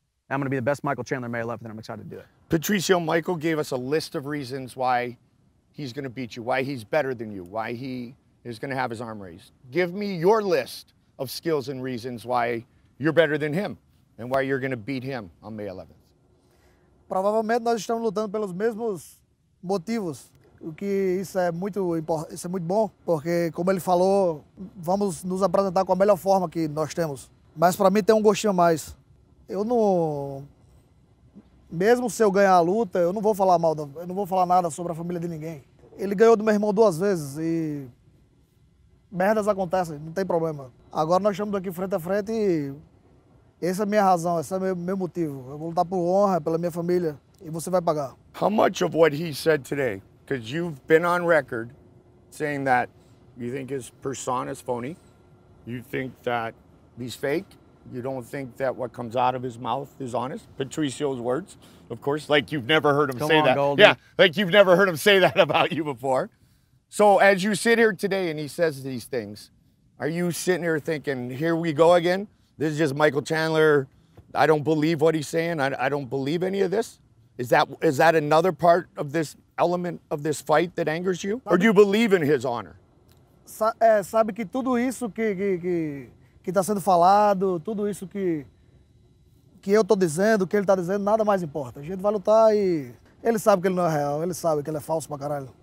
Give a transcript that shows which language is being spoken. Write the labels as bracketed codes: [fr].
[en] I'm going to be the best Michael Chandler May 11th, and I'm excited to do it. Patricio, Michael gave us a list of reasons why he's going to beat you, why he's better than you, why he is going to have his arm raised. Give me your list of skills and reasons why you're better than him and why you're going to beat him on May 11th. [pt] Provavelmente nós estamos lutando pelos mesmos motivos, o que isso é muito bom, porque como ele falou, vamos nos apresentar com a melhor forma que nós temos. Mas para mim tem um gostinho a mais. Eu não, mesmo se eu ganhar a luta, eu não vou falar mal, eu não vou falar nada sobre a família de ninguém. Ele ganhou do meu irmão 2 vezes e merdas acontecem, não tem problema. Agora nós estamos aqui frente a frente e Essa é a minha razão, esse é o meu motivo. Eu vou lutar por honra, pela minha família, e você vai pagar. [en] How much of what he said today, because you've been on record saying that you think his persona is phony, you think that he's fake, you don't think that what comes out of his mouth is honest, Patricio's words, of course, like you've never heard him Come say on, that. Goldie. Yeah, like you've never heard him say that about you before. So as you sit here today and he says these things, are you sitting here thinking, here we go again? This is just Michael Chandler. I don't believe what he's saying. I don't believe any of this. Is that another part of this element of this fight that angers you? Or do you believe in his honor? [pt] Sabe que tudo isso que tá sendo falado, tudo isso que eu tô dizendo, que ele tá dizendo, nada mais importa. A gente vai lutar e ele sabe que ele não é real. Ele sabe que ele é falso pra caralho.